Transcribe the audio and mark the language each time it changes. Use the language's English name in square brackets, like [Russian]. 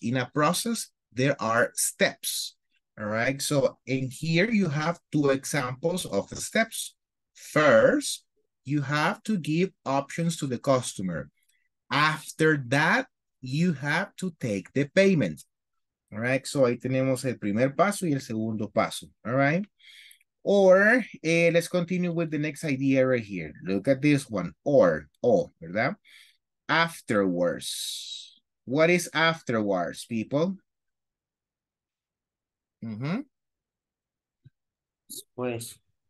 [English] In a process, there are steps, all right? So in here, you have two examples of the steps. First, you have to give options to the customer. After that, you have to take the payment. All right, [Spanish] so ahí tenemos el primer paso y el segundo paso, all right? [English] Or, let's continue with the next idea right here. Look at this one, [Spanish] ¿verdad? [English] Afterwards. What is afterwards, people? [Spanish] Después.